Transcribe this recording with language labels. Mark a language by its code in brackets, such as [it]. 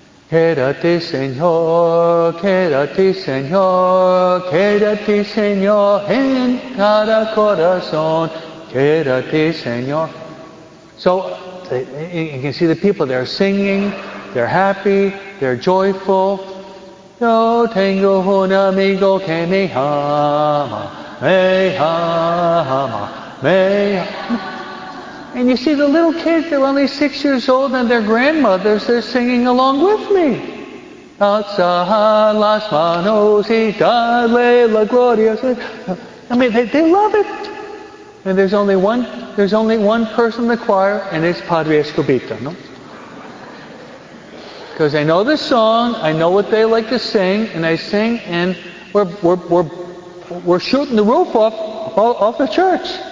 [es] Quédate, Señor, quédate, Señor, quédate, Señor, en cada corazón, quédate, Señor. [en] So, you can see the people, they're singing, they're happy, they're joyful. [es] Yo tengo un amigo que me ama, me ama, me ama. [en] And you see the little kids, they're only 6 years old, and their grandmothers, they're singing along with me. [es] Alza las manos y dale la gloria. [en] I mean, they love it. And there's only one person in the choir, and it's Padre Escobita, no? Because I know the song, I know what they like to sing, and I sing, and we're shooting the roof off the church.